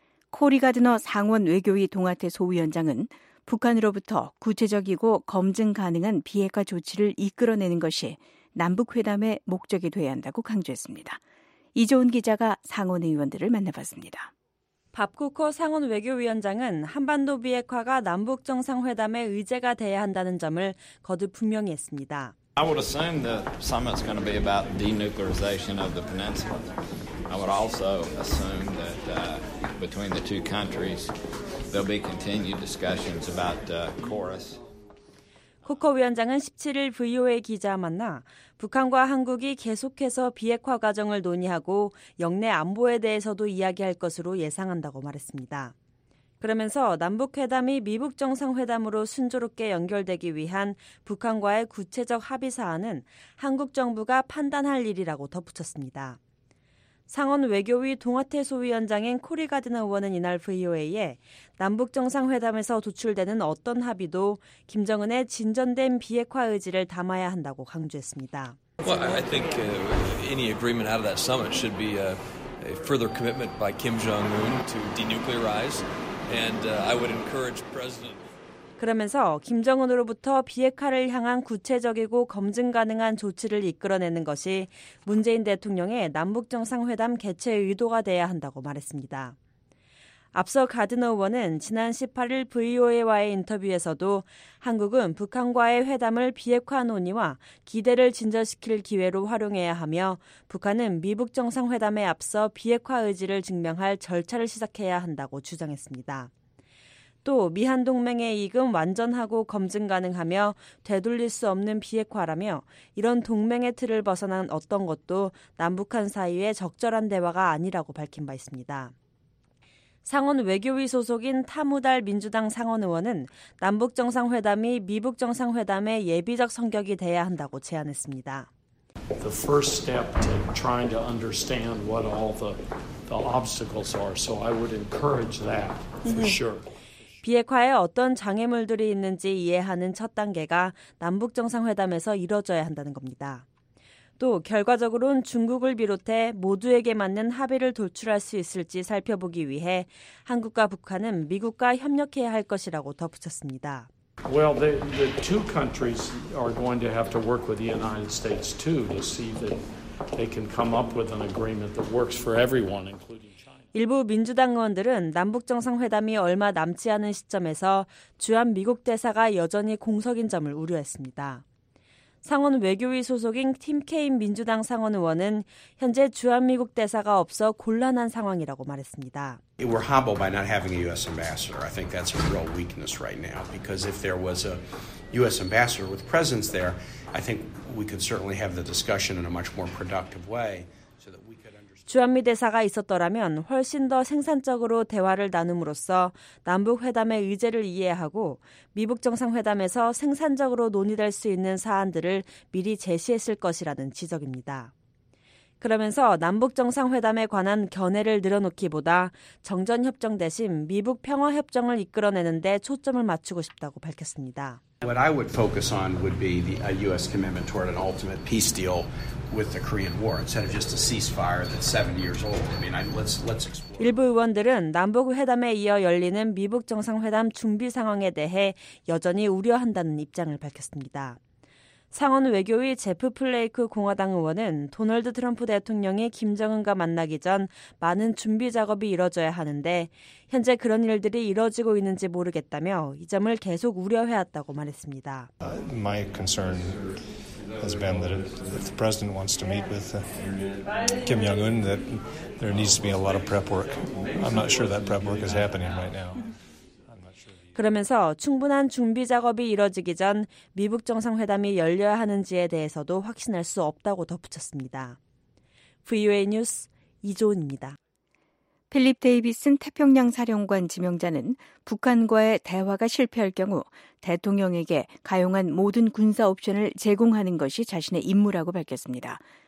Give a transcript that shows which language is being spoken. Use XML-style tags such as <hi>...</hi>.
<ko>코리 가드너 상원 외교위 동아태 소위원장은 북한으로부터 구체적이고 검증 가능한 비핵화 조치를 이끌어내는 것이 남북회담의 목적이 돼야 한다고 강조했습니다. 이재훈 기자가 상원 의원들을 만나봤습니다. 밥쿠커 상원 외교위원장은 한반도 비핵화가 남북정상회담의 의제가 돼야 한다는 점을 거듭 분명히 했습니다.</ko> <en>I would assume the summit's going to be about denuclearization of the peninsula. I would also assume that between the two countries there'll be continued discussions about CORUS.</en> <ko>쿠커 위원장은 17일 VOA 기자와 만나 북한과 한국이 계속해서 비핵화 과정을 논의하고 역내 안보에 대해서도 이야기할 것으로 예상한다고 말했습니다. 그러면서 남북회담이 미북 정상회담으로 순조롭게 연결되기 위한 북한과의 구체적 합의 사안은 한국 정부가 판단할 일이라고 덧붙였습니다. 상원 외교위 동아태 소위원장인 코리 가드너 의원은 이날 VOA에 남북정상회담에서 도출되는 어떤 합의도 김정은의 진전된 비핵화 의지를 담아야 한다고 강조했습니다.</ko> <en>Well, I think any agreement out of that summit should be a further commitment by Kim Jong-un to denuclearize. And I would encourage President</en> <ko>그러면서 김정은으로부터 비핵화를 향한 구체적이고 검증 가능한 조치를 이끌어내는 것이 문재인 대통령의 남북정상회담 개최 의도가 돼야 한다고 말했습니다. 앞서 가드너 의원은 지난 18일 VOA와의 인터뷰에서도 한국은 북한과의 회담을 비핵화 논의와 기대를 진전시킬 기회로 활용해야 하며 북한은 미북 정상회담에 앞서 비핵화 의지를 증명할 절차를 시작해야 한다고 주장했습니다. 또 미한 동맹의 이익은 완전하고 검증 가능하며 되돌릴 수 없는 비핵화라며 이런 동맹의 틀을 벗어난 어떤 것도 남북한 사이의 적절한 대화가 아니라고 밝힌 바 있습니다. 상원 외교위 소속인 타무달 민주당 상원 의원은 남북정상회담이 미북정상회담의 예비적 성격이 돼야 한다고 제안했습니다.</ko> <en>The first step to trying to understand what all the obstacles are, so I would encourage that for sure.</en> <ko>비핵화에 어떤 장애물들이 있는지 이해하는 첫 단계가 남북정상회담에서 이뤄져야 한다는 겁니다. 또 결과적으로는 중국을 비롯해 모두에게 맞는 합의를 돌출할 수 있을지 살펴보기 위해 한국과 북한은 미국과 협력해야 할 것이라고 덧붙였습니다.</ko> <en>Well, the two countries are going to have to work with the United States too to see that they can come up with an agreement that works for everyone, including</en> <ko>일부 민주당 의원들은 남북정상회담이 얼마 남지 않은 시점에서 주한미국 대사가 여전히 공석인 점을 우려했습니다. 상원 외교위 소속인 팀 케인 민주당 상원 의원은 현재 주한미국 대사가 없어 곤란한 상황이라고 말했습니다.</ko> <en>We're humbled by not having a U.S. ambassador. I think that's a real weakness right now. Because if there was a U.S. ambassador with presence there, I think we could certainly have the discussion in a much more productive way.</en> <ko>주한미 대사가 있었더라면 훨씬 더 생산적으로 대화를 나눔으로써 남북회담의 의제를 이해하고 미북정상회담에서 생산적으로 논의될 수 있는 사안들을 미리 제시했을 것이라는 지적입니다. 그러면서 남북정상회담에 관한 견해를 늘어놓기보다 정전협정 대신 미북평화협정을 이끌어내는 데 초점을 맞추고 싶다고 밝혔습니다.</ko> <en>What I would focus on would be a U.S. commitment toward an ultimate peace deal with the Korean War instead of just a ceasefire that's 70 years old. I mean, let's explore.</en> <ko>일부 의원들은 남북 회담에 이어 열리는 미북 정상회담 준비 상황에 대해 여전히 우려한다는 입장을 밝혔습니다. 상원 외교위 제프 플레이크 공화당 의원은 도널드 트럼프 대통령이 김정은과 만나기 전 많은 준비 작업이 이뤄져야 하는데 현재 그런 일들이 이뤄지고 있는지 모르겠다며 이 점을 계속 우려해왔다고 말했습니다.</ko> <en>My concern has been that if the president wants to meet with Kim Jong-un, that there needs to be a lot of prep work. I'm not sure that prep work is happening right now.</en> <ko>그러면서 충분한 준비 작업이 이뤄지기 전 미북 정상회담이 열려야 하는지에 대해서도 확신할 수 없다고 덧붙였습니다. VOA 뉴스 이조은입니다. 필립 데이비슨 태평양 사령관 지명자는 북한과의 대화가 실패할 경우 대통령에게 가용한 모든 군사 옵션을 제공하는 것이 자신의 임무라고 밝혔습니다.</ko>